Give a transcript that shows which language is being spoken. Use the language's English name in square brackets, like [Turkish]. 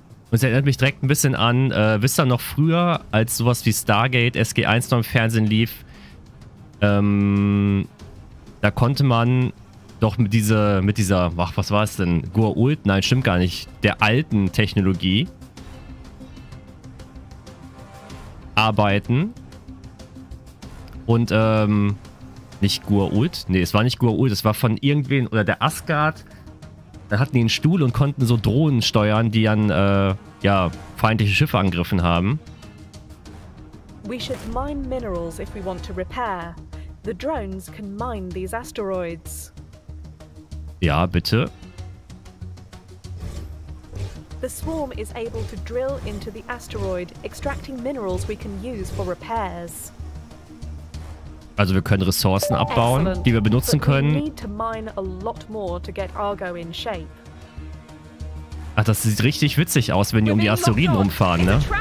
[German] Und es erinnert mich direkt ein bisschen an, wisst ihr noch früher, als sowas wie Stargate SG-1 noch im Fernsehen lief, da konnte man doch der alten Technologie arbeiten. Und, nicht Gua'uld? Nee, es war nicht Gua'uld, es war von irgendwen, oder der Asgard, da hatten die einen Stuhl und konnten so Drohnen steuern, die dann, ja, feindliche Schiffe angegriffen haben. [English] We should mine minerals if we want to repair. The drones can mine these asteroids. [German] Ja, bitte. [English] The swarm is able to drill into the asteroid, extracting minerals we can use for repairs. [German] Also wir können Ressourcen abbauen, excellent, die wir benutzen können. [English] We need to mine a lot more to get Argo in shape. [German] Ach, das sieht richtig witzig aus, wenn die um die Asteroiden rumfahren, ne?